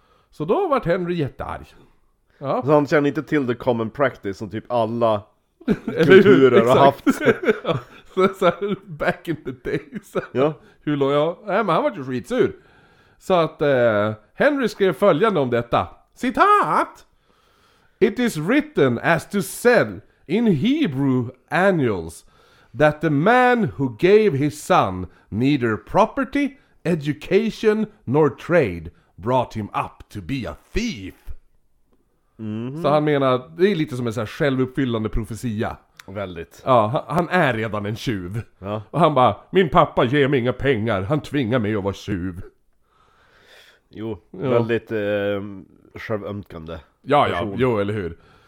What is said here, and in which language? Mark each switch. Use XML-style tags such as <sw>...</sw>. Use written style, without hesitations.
<sv>Så då har varit Henry jättearg. Ja. Så han känner inte till</sv> <en>the common practice</en> <sv>som typ alla kulturer har haft. Ja. Så här,</sv> <en>back in the days.</en> <sv>Ja. Hur låg jag? Nej, men han var ju skitsur. Så att Henry skrev följande om detta. Citat!</sv> <en>It is written as to said in Hebrew annals that the man who gave his son neither property, education nor trade brought him up to be a thief. Mm-hmm.</en> <sv>Så han menar att det är lite som en så här självuppfyllande profetia. Väldigt. Ja, han är redan en tjuv. Ja. Och han bara, min pappa ger mig inga pengar, han tvingar mig att vara tjuv. Jo, ja. Väldigt självömkande. Ja, ja, jo, eller hur.</sv>